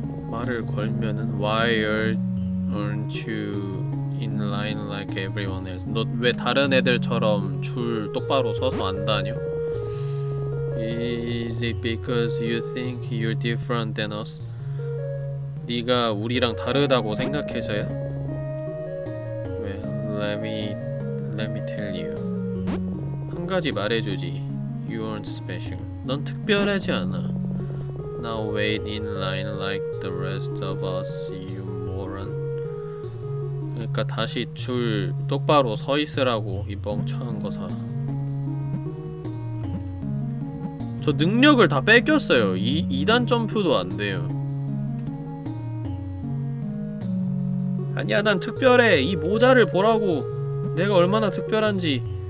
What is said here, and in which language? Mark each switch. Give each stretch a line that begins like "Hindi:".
Korean: 말을 걸면은
English: Why aren't you in line like everyone else?
Korean: 너 왜 다른 애들처럼 줄 똑바로 서서 안 다녀?
English: Is it because you think you're different than us?
Korean: 네가 우리랑 다르다고 생각해서야?
English: Let me tell you.
Korean: 한 가지 말해주지.
English: You aren't special.
Korean: 넌 특별하지 않아.
English: Now wait in line like the rest of us, you moron.
Korean: 그러니까 다시 줄 똑바로 서 있으라고, 이 멍청한 거사. 저 능력을 다 뺏겼어요. 2단 점프도 안 돼요. 아니야, 난 특별해. 이 모자를 보라고. 내가 얼마나 특별한지.